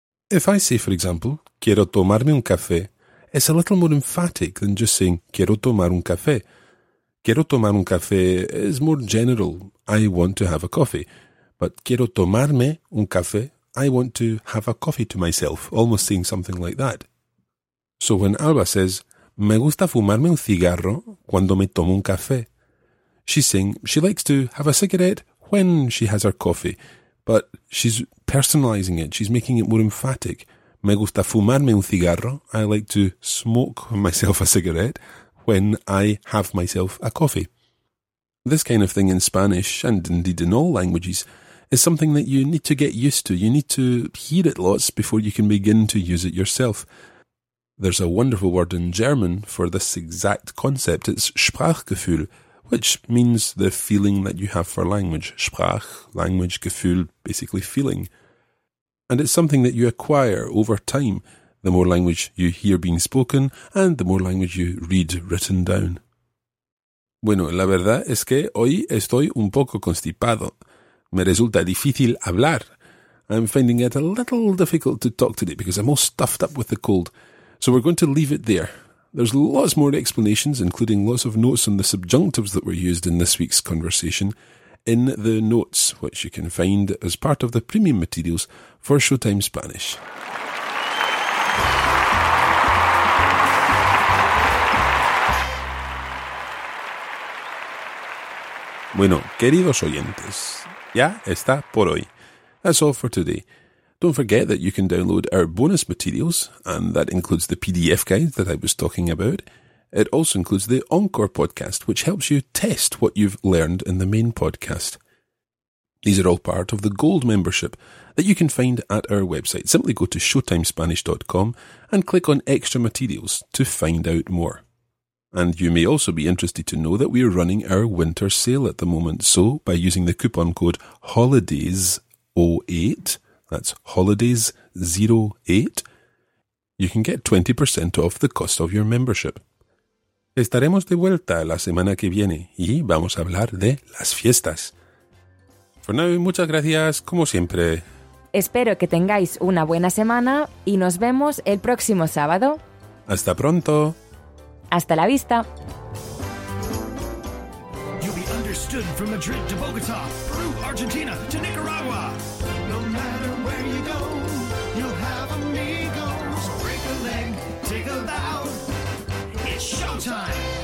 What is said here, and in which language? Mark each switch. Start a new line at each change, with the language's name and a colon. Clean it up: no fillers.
English: If I say, for example,
Spanish: quiero tomarme un café,
English: it's a little more emphatic than just saying
Spanish: quiero tomar un café. Quiero tomar un café
English: is more general. I want to have a coffee. But
Spanish: quiero tomarme un café,
English: I want to have a coffee to myself, almost saying something like that. So when Alba says,
Spanish: Me gusta fumarme un cigarro cuando me tomo un café.
English: She's saying she likes to have a cigarette when she has her coffee, but she's personalizing it, she's making it more emphatic.
Spanish: Me gusta fumarme un cigarro.
English: I like to smoke myself a cigarette when I have myself a coffee. This kind of thing in Spanish, and indeed in all languages, is something that you need to get used to. You need to hear it lots before you can begin to use it yourself. There's a wonderful word in German for this exact concept. It's Sprachgefühl, which means the feeling that you have for language. Sprach, language, Gefühl, basically feeling. And it's something that you acquire over time, the more language you hear being spoken, and the more language you read written down.
Spanish: Bueno, la verdad es que hoy estoy un poco constipado. Me resulta difícil hablar.
English: I'm finding it a little difficult to talk today because I'm all stuffed up with the cold. So we're going to leave it there. There's lots more explanations, including lots of notes on the subjunctives that were used in this week's conversation, in the notes, which you can find as part of the premium materials for Showtime Spanish.
Spanish: Bueno, queridos oyentes, ya está por hoy.
English: That's all for today. Don't forget that you can download our bonus materials, and that includes the PDF guide that I was talking about. It also includes the Encore podcast, which helps you test what you've learned in the main podcast. These are all part of the Gold membership that you can find at our website. Simply go to showtimespanish.com and click on Extra Materials to find out more. And you may also be interested to know that we are running our winter sale at the moment. So by using the coupon code HOLIDAYS08, that's HOLIDAYS08, you can get 20% off the cost of your membership.
Spanish: Estaremos de vuelta la semana que viene y vamos a hablar de las fiestas.
English: For now,
Spanish: muchas gracias, como siempre. Espero que tengáis una buena semana y nos vemos el próximo sábado. Hasta pronto. Hasta la vista.
English: You'll be understood from Madrid to Bogotá, Peru, Argentina to Nicaragua. No matter where you go, you'll have amigos. Break a leg, take a bow. It's showtime.